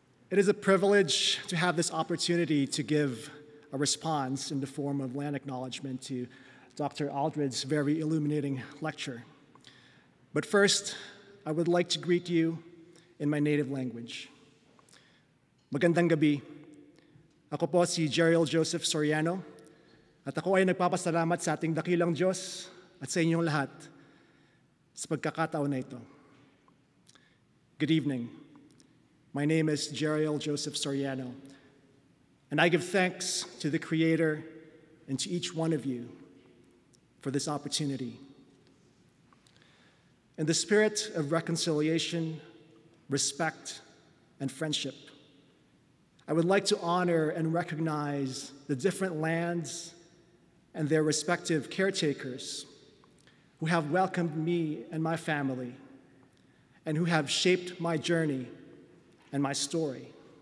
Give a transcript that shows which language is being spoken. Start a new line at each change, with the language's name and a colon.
English: It is a privilege to have this opportunity to give a response in the form of land acknowledgement to Dr. Aldred's very illuminating lecture. But first, I would like to greet you in my native language.
Filipino: Magandang gabi. Ako po si Gerald Joseph Soriano, at ako ay nagpapasalamat sa ating dakilang Diyos at sa inyong lahat sa pagkakataon na ito.
English: Good evening. My name is Jeriel Joseph Soriano, and I give thanks to the Creator and to each one of you for this opportunity. In the spirit of reconciliation, respect, and friendship, I would like to honor and recognize the different lands and their respective caretakers who have welcomed me and my family and who have shaped my journey and my story.